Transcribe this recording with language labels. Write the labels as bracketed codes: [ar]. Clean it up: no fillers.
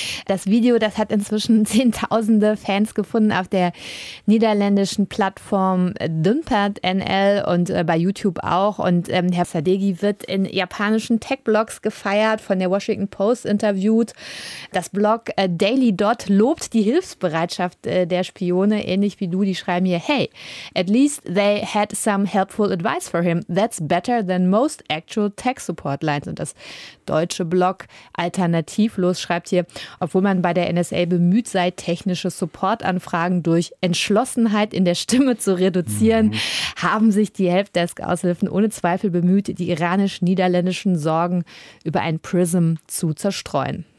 [de] Das Video, das hat inzwischen zehntausende Fans gefunden auf der niederländischen Plattform DumpertNL und bei YouTube auch. Und Herr Sadeghi wird in japanischen Tech-Blogs gefeiert, von der Washington Post interviewt. Das Blog Daily Dot lobt die Hilfsbereitschaft der Spione, ähnlich wie du. Die schreiben hier, [en] hey, at least they had some helpful advice for him. That's better than most actual Tech-Support Lines. [de] Und das deutsche Blog Alternativlos schreibt hier, obwohl man bei der NSA bemüht sei, technische Support-Anfragen durch Entschlossenheit in der Stimme zu reduzieren, haben sich die Helpdesk-Aushilfen ohne Zweifel bemüht, die iranisch-niederländischen Sorgen über ein Prism zu zerstreuen.